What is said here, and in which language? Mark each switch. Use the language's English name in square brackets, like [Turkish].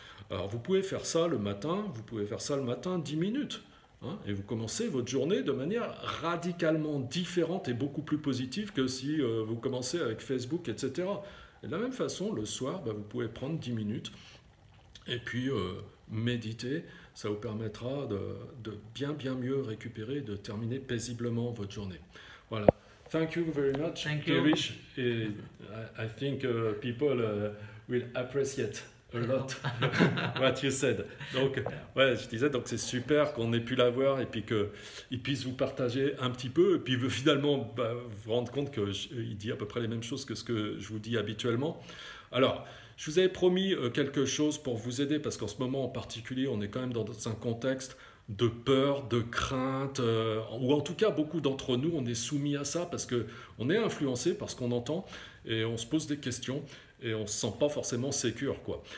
[French] Alors vous pouvez faire ça le matin, 10 minutes, hein, et vous commencez votre journée de manière radicalement différente et beaucoup plus positive que si vous commencez avec Facebook, etc. Et de la même façon, le soir, bah, vous pouvez prendre 10 minutes et puis méditer. Ça vous permettra de bien, bien mieux récupérer, de terminer paisiblement votre journée. [English] Voilà. Thank you very much. Thank you. Girish. I think people will appreciate a lot what you said. [French] Donc, ouais, je disais, donc c'est super qu'on ait pu l'avoir et puis qu'il puisse vous partager un petit peu. Et puis, finalement, bah, vous rendre compte qu'il dit à peu près les mêmes choses que ce que je vous dis habituellement. Alors, je vous avais promis quelque chose pour vous aider, parce qu'en ce moment en particulier, on est quand même dans un contexte de peur, de crainte, ou en tout cas, beaucoup d'entre nous, on est soumis à ça, parce qu'on est influencé par ce qu'on entend, et on se pose des questions, et on ne se sent pas forcément sécure, quoi.